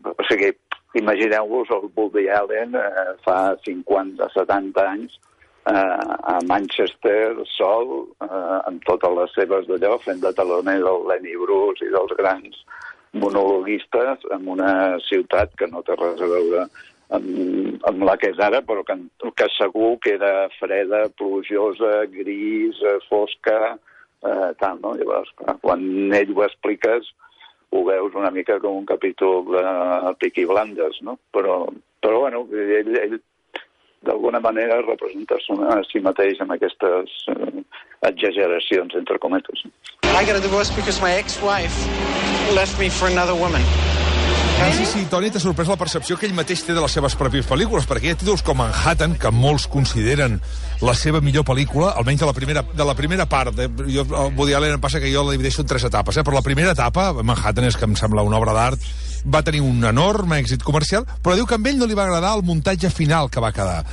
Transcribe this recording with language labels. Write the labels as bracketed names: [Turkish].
[Catalan] O sigui, imagineu-vos el Woody Allen fa 50, 70 anys a Manchester, sol, amb totes les seves d'allò, fent de taloner del Lenny Bruce i dels grans monologuistes, en una ciutat que no té res a veure amb la que és ara, però que segur que era freda, plujosa, gris, fosca, tal, no? Llavors, clar, quan ell ho expliques, ho veus una mica com un capítol de Peaky Blinders, no? Però bueno, ell d'alguna manera representa a si mateix amb aquestes exageracions, entre cometes. [English] I got a divorce because my ex-wife left me for another woman. [Catalan] Sí, Toni, t'ha sorprès la percepció que ell mateix té de les seves pròpies pel·lícules, perquè hi ha títols com Manhattan, que molts consideren la seva millor pel·lícula, almenys de la primera part. Jo, Woody Allen, passa que jo la divideixo en 3 etapes, però la primera etapa, Manhattan, és que em sembla una obra d'art, va tenir un enorme èxit comercial, però diu que amb ell no li va agradar el muntatge final que va quedar.